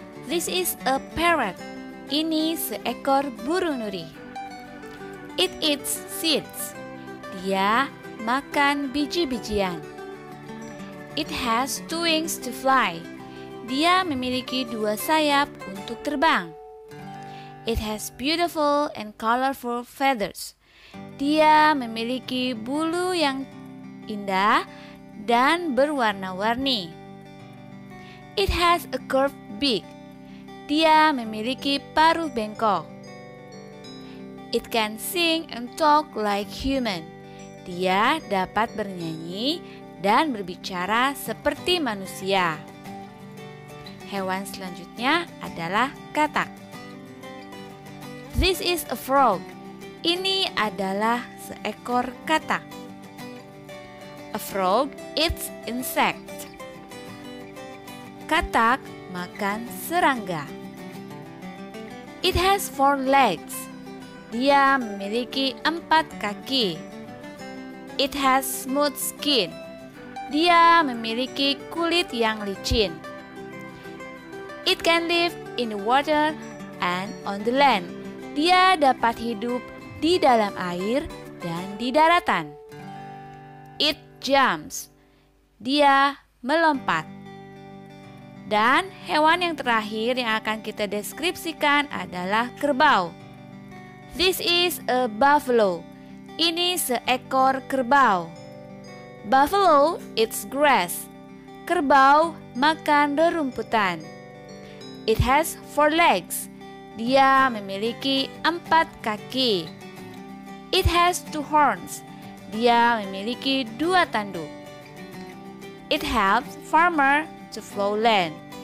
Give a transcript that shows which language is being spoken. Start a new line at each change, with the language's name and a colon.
English: This is a parrot.
Indonesian: Ini seekor burung nuri.
English: It eats seeds.
Indonesian: Dia makan biji-bijian.
English: It has two wings to fly.
Indonesian: Dia memiliki dua sayap untuk terbang.
English: It has beautiful and colorful feathers.
Indonesian: Dia memiliki bulu yang indah dan berwarna-warni.
English: It has a curved beak.
Indonesian: Dia memiliki paruh bengkok.
English: It can sing and talk like human.
Indonesian: Dia dapat bernyanyi dan berbicara seperti manusia. Hewan selanjutnya adalah katak.
English: This is a frog.
Indonesian: Ini adalah seekor katak.
English: A frog eats insect.
Indonesian: Katak makan serangga.
English: It has four legs.
Indonesian: Dia memiliki empat kaki.
English: It has smooth skin.
Indonesian: Dia memiliki kulit yang licin.
English: It can live in the water and on the land.
Indonesian: Dia dapat hidup di dalam air dan di daratan.
English: It jumps.
Indonesian: Dia melompat. Dan hewan yang terakhir yang akan kita deskripsikan adalah kerbau.
English: This is a buffalo.
Indonesian: Ini seekor kerbau.
English: Buffalo eats grass.
Indonesian: Kerbau makan rerumputan.
English: It has four legs.
Indonesian: Dia memiliki empat kaki.
English: It has two horns.
Indonesian: Dia memiliki dua tanduk.
English: It helps farmer to plow land.